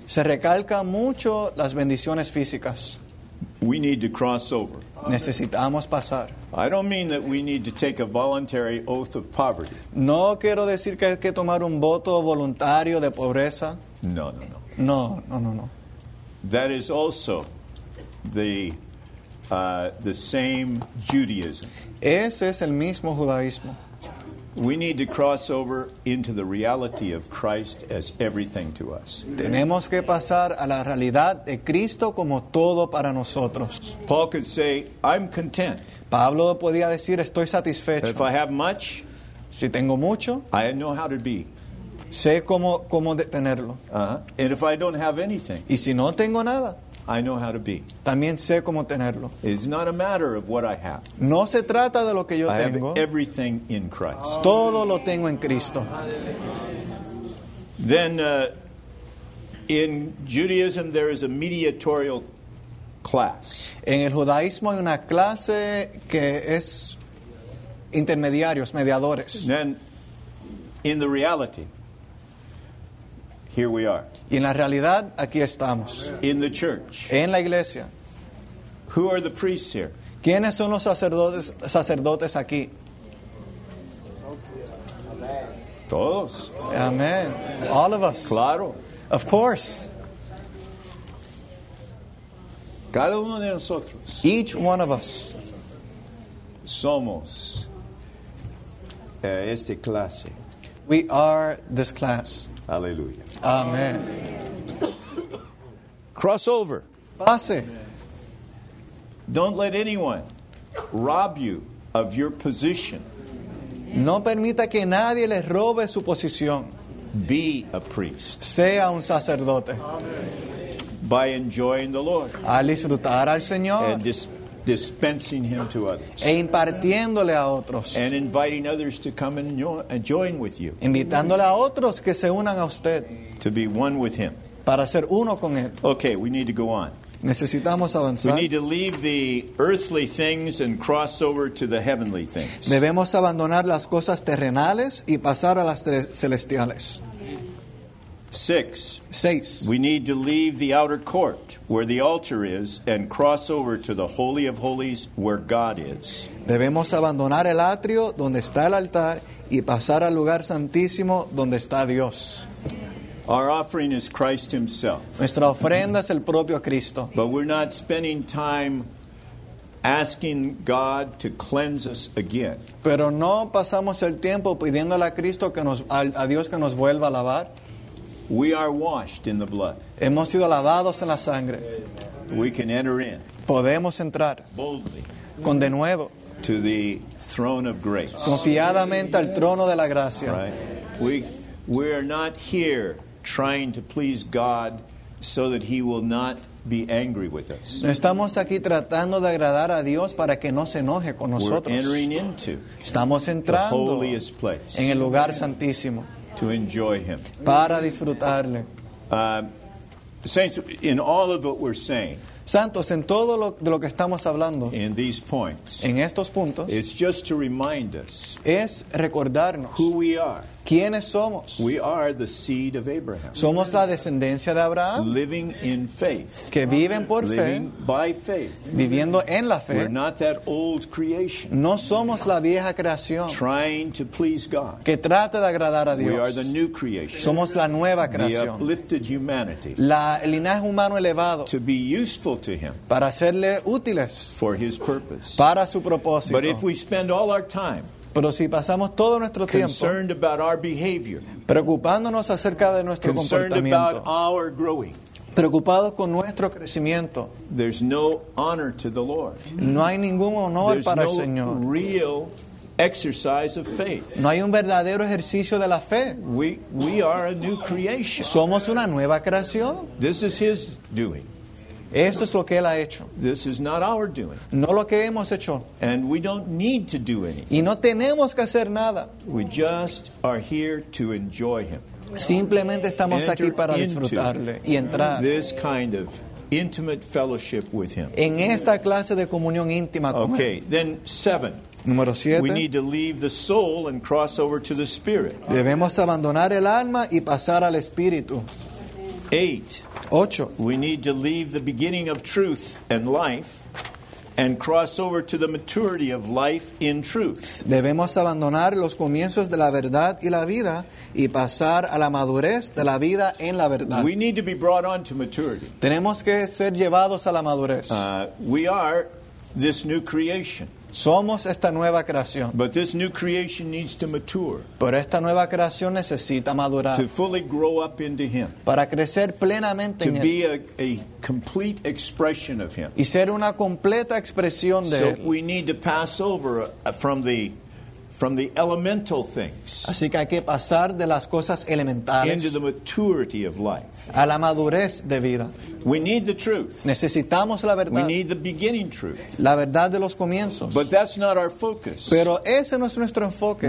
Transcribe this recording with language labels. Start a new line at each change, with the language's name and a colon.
Spanish: Se recalca mucho las bendiciones físicas.
English: We need to cross over.
Spanish: Necesitamos pasar.
English: I don't mean that we need to take a voluntary oath of poverty.
Spanish: No quiero decir que hay que tomar un voto voluntario de pobreza. No, no, no. No, no, no, no.
English: That is also the same Judaism.
Spanish: Ese es el mismo judaísmo.
English: We need to cross over into the reality of Christ as everything to us.
Spanish: Tenemos que pasar a la realidad de Cristo como todo para nosotros.
English: Paul could say, I'm content.
Spanish: Pablo podía decir, estoy satisfecho.
English: If I have much,
Spanish: si tengo mucho,
English: I know how to be.
Spanish: Sé cómo tenerlo.
English: And if I don't have anything,
Spanish: y si no tengo nada,
English: I know how to be.
Spanish: También sé cómo tenerlo.
English: It's not a matter of what I have.
Spanish: No se trata de lo que yo
English: I
Spanish: tengo.
English: I have everything in Christ.
Spanish: Todo lo tengo en Cristo.
English: Then in Judaism there is a mediatorial class.
Spanish: En el judaísmo hay una clase que es intermediarios, mediadores.
English: Then in the reality here we are.
Spanish: Y en la realidad, aquí estamos.
English: In the church.
Spanish: En la iglesia.
English: Who are the priests here?
Spanish: ¿Quiénes son los sacerdotes aquí? Todos.
English: Amen. All of us.
Spanish: Claro.
English: Of course.
Spanish: Cada uno de nosotros.
English: Each one of us.
Spanish: Somos esta clase.
English: We are this class.
Spanish: Aleluya.
English: Amen. Crossover.
Spanish: Pase.
English: Don't let anyone rob you of your position.
Spanish: No permita que nadie le robe su posición.
English: Be a priest.
Spanish: Sea un sacerdote.
English: By enjoying the Lord.
Spanish: Al disfrutar al Señor.
English: And dispensing him to others.
Spanish: E impartiéndole a otros.
English: And inviting others to come and join with you.
Spanish: Invitándole a otros que se unan a usted.
English: To be one with him.
Spanish: Para ser uno con él.
English: Okay, we need to go on.
Spanish: Necesitamos avanzar.
English: We need to leave the earthly things and cross over to the heavenly things.
Spanish: Debemos abandonar las cosas terrenales y pasar a las celestiales.
English: Six.
Spanish: Seis.
English: We need to leave the outer court where the altar is and cross over to the Holy of Holies where God is.
Spanish: Debemos abandonar el atrio donde está el altar y pasar al lugar santísimo donde está Dios.
English: Our offering is Christ himself.
Spanish: Nuestra ofrenda es el propio Cristo.
English: But we're not spending time asking God to cleanse us again.
Spanish: Pero no pasamos el tiempo pidiéndole a Cristo que nos a Dios que nos vuelva a lavar.
English: We are washed in the blood.
Spanish: Hemos sido lavados en la sangre.
English: We can enter in.
Spanish: Podemos entrar.
English: Boldly.
Spanish: Con denuedo.
English: To the throne of grace.
Spanish: Confiadamente al trono de la gracia.
English: Right. We are not here trying to please God so that he will not be angry with us.
Spanish: No estamos aquí tratando de agradar a Dios para que no se enoje con nosotros.
English: We're entering into.
Spanish: Estamos entrando.
English: The holiest place.
Spanish: En el lugar santísimo.
English: To enjoy him.
Spanish: Para disfrutarle.
English: Saints, in all of what we're saying.
Spanish: Santos, en todo lo de lo que estamos hablando.
English: In these points.
Spanish: En estos puntos.
English: It's just to remind us.
Spanish: Es recordarnos.
English: Who we are.
Spanish: ¿Quiénes somos?
English: We are the seed of Abraham.
Spanish: Somos la descendencia de Abraham.
English: Living in faith.
Spanish: Que viven por fe.
English: Living by faith.
Spanish: Viviendo en la fe.
English: We're not that old creation.
Spanish: No somos la vieja creación.
English: Trying to please God.
Spanish: Que trata de agradar a Dios.
English: We are the new creation.
Spanish: Somos la nueva creación.
English: The uplifted humanity.
Spanish: El linaje humano elevado.
English: To be useful to him.
Spanish: Para serle útiles.
English: For his purpose.
Spanish: Para su propósito.
English: But if we spend all our time.
Spanish: Pero si pasamos todo nuestro
English: concerned
Spanish: tiempo
English: about our behavior,
Spanish: preocupándonos acerca de nuestro
English: concerned
Spanish: comportamiento,
English: about our growing,
Spanish: preocupados con nuestro crecimiento,
English: there's no honor to the Lord.
Spanish: No hay ningún honor
English: there's
Spanish: para
English: no
Spanish: el Señor.
English: Real exercise of faith.
Spanish: No hay un verdadero ejercicio de la fe.
English: We are a new creation.
Spanish: Somos una nueva creación.
English: This is his doing.
Spanish: Esto es lo que él ha hecho.
English: This is not our doing.
Spanish: No lo que hemos hecho.
English: And we don't need to do anything.
Spanish: Y no tenemos que hacer nada.
English: We just are here to enjoy him.
Spanish: Simplemente estamos
English: enter
Spanish: aquí para disfrutarle y entrar.
English: This kind of intimate fellowship with him.
Spanish: En esta clase de comunión íntima con
English: okay,
Spanish: él.
English: Then 7.
Spanish: Número 7.
English: We need to leave the soul and cross over to the spirit.
Spanish: Debemos abandonar el alma y pasar al espíritu.
English: 8.
Spanish: Ocho.
English: We need to leave the beginning of truth and life and cross over to the maturity of life in truth.
Spanish: Debemos abandonar los comienzos de la verdad y la vida y pasar a la madurez de la vida en la verdad.
English: We need to be brought on to maturity.
Spanish: Tenemos que ser llevados a la madurez.
English: We are this new creation.
Spanish: Somos esta nueva creación.
English: But this new creation needs to mature.
Spanish: Pero esta nueva creación necesita madurar.
English: To fully grow up into him.
Spanish: Para crecer plenamente
English: to
Spanish: en él.
English: To be a complete expression of him.
Spanish: Y ser una completa expresión de
English: so
Spanish: él.
English: So we need to pass over from the elemental things.
Spanish: Así que hay que pasar de las cosas elementales.
English: Into the maturity of life.
Spanish: A la madurez de vida.
English: We need the truth.
Spanish: Necesitamos la verdad.
English: We need the beginning truth.
Spanish: La verdad de los comienzos.
English: But that's not our focus.
Spanish: Pero ese no es nuestro enfoque.